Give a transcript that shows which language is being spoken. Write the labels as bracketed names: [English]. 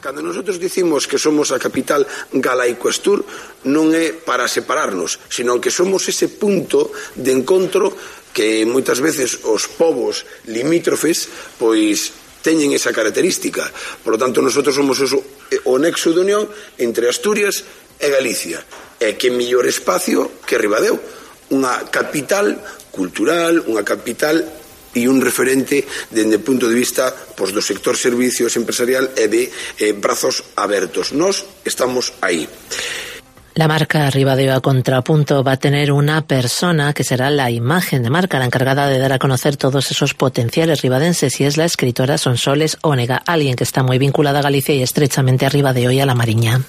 [Spanish] Cuando nosotros decimos que somos la capital galaico-astur, [Galician] non é para separarnos, sino que somos ese punto de encontro que muitas veces os povos limítrofes pois teñen esa característica. [Spanish] Por lo tanto, nosotros somos [Galician] o nexo de unión entre Asturias e Galicia. E que mellor espacio que Ribadeo, unha capital cultural, unha capital e un referente dende o punto de vista pois, do sector servicios empresarial e de brazos abertos. Nós estamos aí. [Spanish] La marca Ribadeo a contrapunto va a tener una persona que será la imagen de marca, la encargada de dar a conocer todos esos potenciales ribadenses, y es la escritora Sonsoles Ónega, alguien que está muy vinculada a Galicia y estrechamente a Ribadeo y a la Mariña.